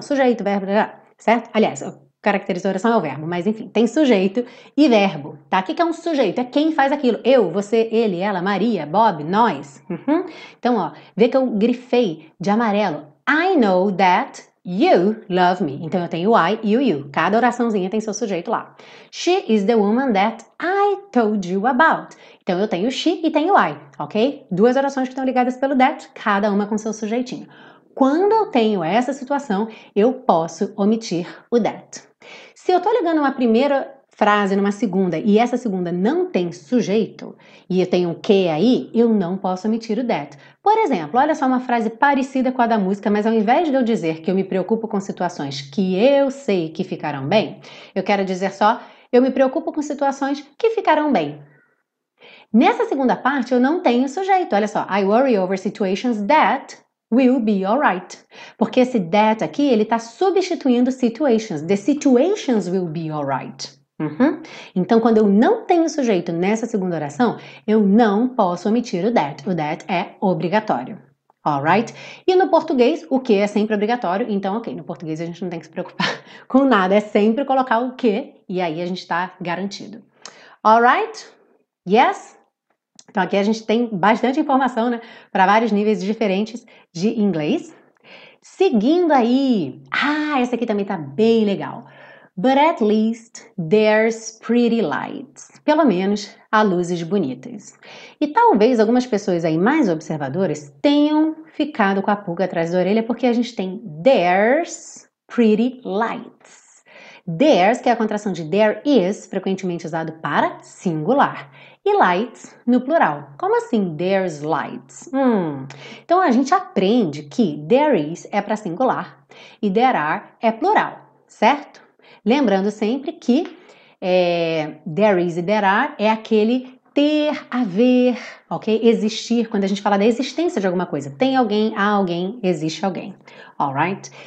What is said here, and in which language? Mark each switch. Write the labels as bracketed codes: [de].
[pt] Sujeito, verbo, blá, blá, certo? Aliás, caracteriza a oração é o verbo, mas enfim, tem sujeito e verbo, tá? O que é um sujeito? É quem faz aquilo. Eu, você, ele, ela, Maria, Bob, nós. Uhum. Então, ó, vê que eu grifei de amarelo. [en] I know that you love me. [pt] Então, eu tenho o I e o you. Cada oraçãozinha tem seu sujeito lá. [en] She is the woman that I told you about. [pt] Então, eu tenho she e tenho I, ok? Duas orações que estão ligadas pelo that, cada uma com seu sujeitinho. Quando eu tenho essa situação, eu posso omitir o that. Se eu tô ligando uma primeira frase numa segunda e essa segunda não tem sujeito e eu tenho um que aí, eu não posso omitir o that. Por exemplo, olha só uma frase parecida com a da música, mas ao invés de eu dizer que eu me preocupo com situações que eu sei que ficarão bem, eu quero dizer só, eu me preocupo com situações que ficarão bem. Nessa segunda parte, eu não tenho sujeito. Olha só, [en] I worry over situations that... will be alright. [pt] Porque esse that aqui, ele tá substituindo situations. [en] The situations will be alright. Uhum. [pt] Então, quando eu não tenho sujeito nessa segunda oração, eu não posso omitir o that. O that é obrigatório. Alright? E no português, o que é sempre obrigatório. Então, ok, no português a gente não tem que se preocupar com nada. É sempre colocar o que e aí a gente tá garantido. Alright? Yes? Então, aqui a gente tem bastante informação, né, para vários níveis diferentes de inglês. Seguindo aí, essa aqui também está bem legal. [en] But at least there's pretty lights. [pt] Pelo menos há luzes bonitas. E talvez algumas pessoas aí mais observadoras tenham ficado com a pulga atrás da orelha, porque a gente tem [en] there's pretty lights. [pt] There's, que é a contração de there is, frequentemente usado para singular. E lights, no plural. Como assim there's lights? Então a gente aprende que there is é para singular e there are é plural, certo? Lembrando sempre que there is e there are é aquele ter, haver, ok? Existir, quando a gente fala da existência de alguma coisa. Tem alguém, há alguém, existe alguém. Alright?